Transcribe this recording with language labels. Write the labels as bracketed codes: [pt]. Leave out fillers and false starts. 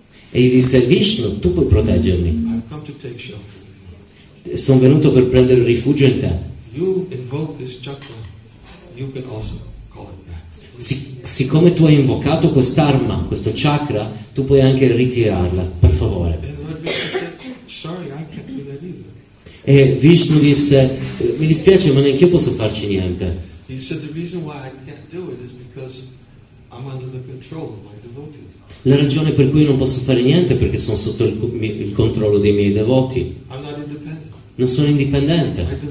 [it] E gli disse: Vishnu, tu puoi proteggermi. [en] I've come to take shelter. [it] Sono venuto per prendere rifugio in te. [en] You invoke this chakra, you can also call it back. [it] Siccome tu hai invocato quest'arma, questo chakra, tu puoi anche ritirarla, per favore. [en] Sorry, I can't do that either. [it] E Vishnu disse: mi dispiace, ma neanche io posso farci niente. [en] He said the reason why I can't do it is because I'm under the control of my devotees. [it] La ragione per cui non posso fare niente è perché sono sotto il controllo dei miei devoti. Non sono indipendente.